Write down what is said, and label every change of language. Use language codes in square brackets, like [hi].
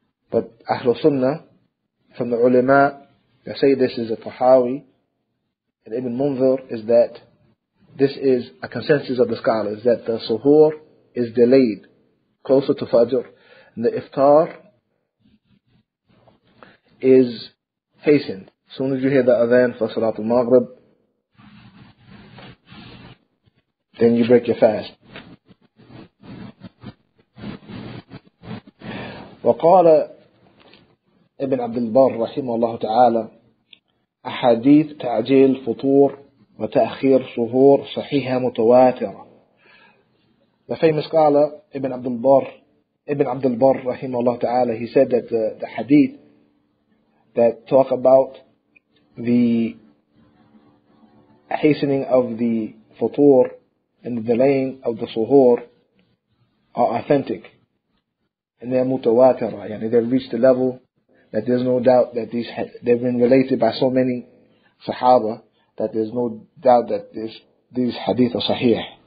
[en] But Ahlul Sunnah, from the ulama, they say this is a tahawi, and Ibn Munzir is that this is a consensus of the scholars, that the suhoor is delayed closer to Fajr, and the iftar is hastened. As soon as you hear the adhan for Salatul Maghrib, then you break your fast. [ar] وَقَالَ Ibn Abdul Barr رحمه الله تعالى أحاديث تعجيل فطور وتأخير صهور صحيحة متواترة. [en] The famous scholar Ibn Abdul Barr rahimahullah ta'ala, he said that the hadith that talk about the hastening of the futur and the delaying of the suhoor are authentic and they're متواترة, يعني they've reached a level that there's no doubt that these they've been related by so many sahaba that there's no doubt that these hadith are sahih.